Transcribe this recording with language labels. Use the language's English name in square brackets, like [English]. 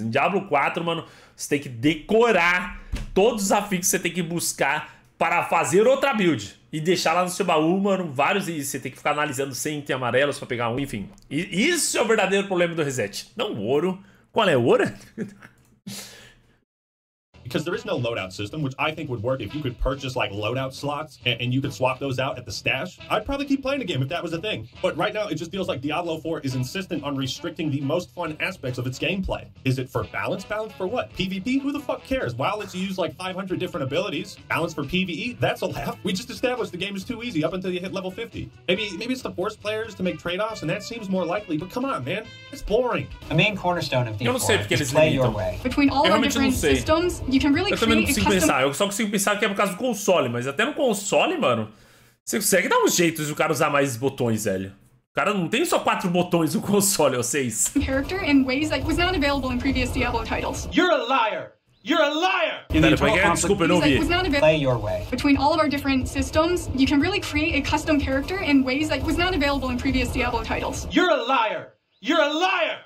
[Portuguese] Em Diablo 4, mano, você tem que decorar todos os afins que você tem que buscar para fazer outra build. E deixar lá no seu baú, mano, vários. E você tem que ficar analisando 100 itens amarelos pra pegar um, enfim. E isso é o verdadeiro problema do reset. Não o ouro. Qual é o ouro? [English] Because there is no loadout system, which I think would work if you could purchase, like, loadout slots and you could swap those out at the stash. I'd probably keep playing the game if that was a thing. But right now, it just feels like Diablo 4 is insistent on restricting the most fun aspects of its gameplay. Is it for balance? Balance for what? PvP? Who the fuck cares? While it's used, like, 500 different abilities, balance for PvE? That's a laugh. We just established the game is too easy up until you hit level 50. Maybe it's to force players to make trade-offs, and that seems more likely, but come on, man. It's boring. A main cornerstone of the game is play your way. Between all our different systems, you can really [Portuguese] Pensar. Eu só consigo pensar que é por causa do console, mas até no console, mano, você consegue dar um jeito de o cara usar mais botões, velho. O cara não tem só 4 botões no console, ou 6. [English] Character in ways that was not available in previous Diablo titles. You're a liar. You're a liar. [Portuguese] Desculpa, eu não vi. [English] Play your way. Between all of our different systems, you can really create a custom character in ways that was not available in previous Diablo titles. You're a liar. You're a liar!